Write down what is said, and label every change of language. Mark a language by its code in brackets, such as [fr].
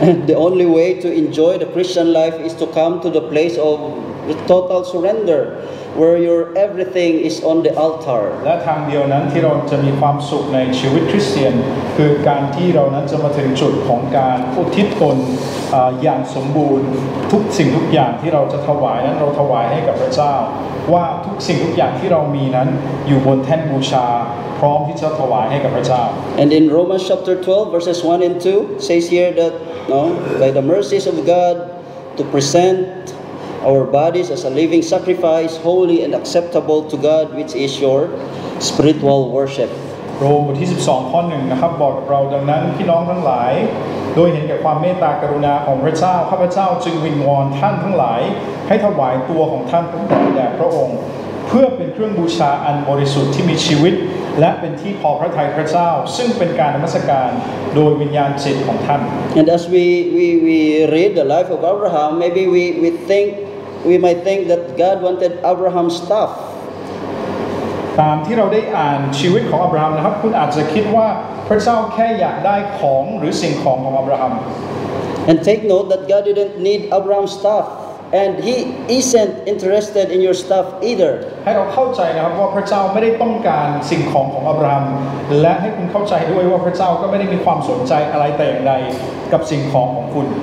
[en] The only way to enjoy the Christian life is to come to the place of total surrender where your everything is on the altar [th] และทางเดียวนั้นที่เราจะมีความสุขในชีวิตคริสเตียนคือการที่เรานั้นจะมาถึงจุดของการอุทิศตนอย่างสมบูรณ์ทุกสิ่งทุกอย่างที่เราจะถวายนั้นเราถวายให้กับพระเจ้าว่าทุกสิ่งทุกอย่างที่เรามีนั้นอยู่บนแท่นบูชาพร้อมที่จะถวายให้กับพระเจ้า [en] And in Romans chapter 12 verses 1 and 2 says here that by the mercies of God to present our bodies as a living sacrifice holy and acceptable to God which is your spiritual worship [th] โรมบทที่12ข้อ1นะครับบอกเราดังนั้นพี่น้องทั้งหลายโดยเห็นแก่ความเมตตากรุณาของพระเจ้าข้าพเจ้าจึงวิงวอนท่านทั้งหลายให้ถวายตัวของท่านเป็นแด่พระองค์เพื่อเป็นเครื่องบูชาอันบริสุทธิ์ที่มีชีวิตและเป็นที่พอพระทัยพระเจ้าซึ่งเป็นการนมัสการโดยวิญญาณจิตของท่าน [en] And as we read the life of Abraham maybe we might think that God wanted Abraham's stuff [th] ตามที่เราได้อ่านชีวิตของอับราฮัมนะครับคุณอาจจะคิดว่าพระเจ้าแค่อยากได้ของหรือสิ่งของของอับราฮัม [en] And take note that God didn't need Abraham's stuffAnd he isn't interested in your stuff either. [th] ให้เราเข้าใจนะครับว่าพระเจ้าไม่ได้ต้องการสิ่งของของอับราฮัมและให้คุณเข้าใจด้วยว่าพระเจ้าก็ไม่ได้มีความสนใจอะไรแต่อย่างใดกับสิ่งของของคุณ